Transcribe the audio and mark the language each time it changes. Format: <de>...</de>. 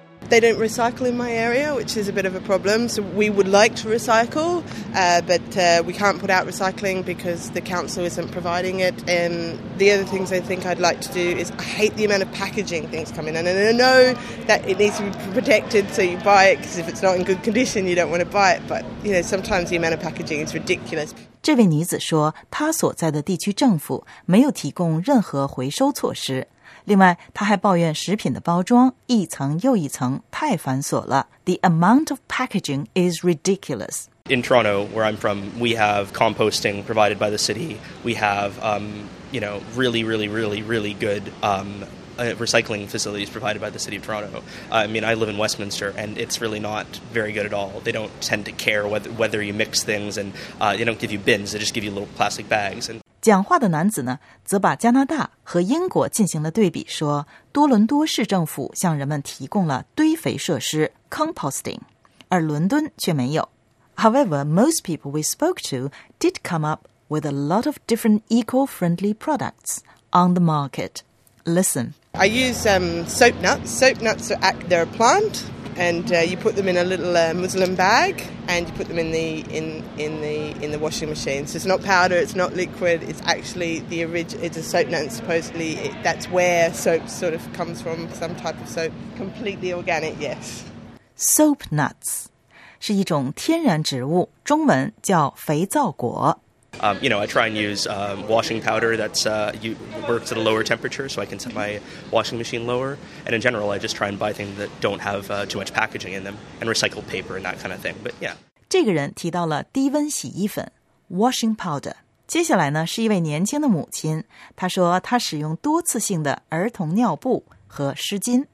<en>They don't recycle in my area, which is a bit of a problem. So we would like to recycle, but we can't put out recycling because the council isn't providing it. And the other things I think I'd like to do is I hate the amount of packaging things come in. And I know that it needs to be protected so you buy it, because if it's not in good condition, you don't want to buy it. But, you know, sometimes the amount of packaging is ridiculous.</en> <zh>这位女子说她所在的地区政府没有提供任何回收措施。另外他还抱怨食品的包装一层又一层太繁琐了。</zh> <en>The amount of packaging is ridiculous. In Toronto, where I'm from, we have composting provided by the city. We have, you know, really, really, really, really good, recycling facilities provided by the city of Toronto. I mean, I live in Westminster and it's really not very good at all. They don't tend to care whether you mix things and, they don't give you bins, they just give you little plastic bags and...</en> <zh>讲话的男子呢，则把加拿大和英国进行了对比，说多伦多市政府向人们提供了堆肥设施 composting， 而伦敦却没有。</zh> <en>However, most people we spoke to did come up with a lot of different eco-friendly products on the market. Listen, I use soap nuts. Soap nuts they're a plant, and you put them in a little muslin bag. And you put them in the washing machine. So it's not powder, it's not liquid, it's actually the original, it's a soap nut, and supposedly that's where soap sort of comes from, some type of soap. Completely organic, yes.</en> <zh>Soap nuts 是一种天然植物，中文叫肥皂果。</zh> <en>You know, I try and use washing powder that's works at a lower temperature, so I can set my washing machine lower. And in general, I just try and buy things that don't have too much packaging in them, and recycled paper and that kind of thing. But yeah,</en> <zh>这个人提到了低温洗衣粉 washing powder. 接下来呢，是一位年轻的母亲，她说她使用多次性的儿童尿布和湿巾。</zh>